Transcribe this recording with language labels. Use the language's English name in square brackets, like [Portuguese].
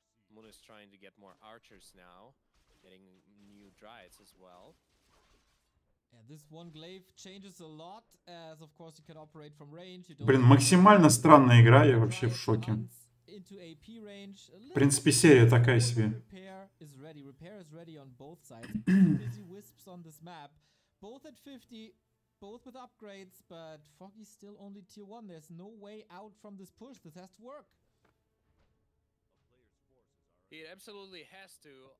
[English] Moon is trying to get more archers now, getting new dryads as well. This one glaive changes a lot, as of course you can operate from range. [Russian] Блин, максимально странная игра, я вообще в шоке. В принципе, серия такая себе. [English] Repair is ready on both sides. Busy wisps on this map, both at 50, both with upgrades, but Foggy still only tier 1. There's no way out from this push. This has to work. It absolutely has to.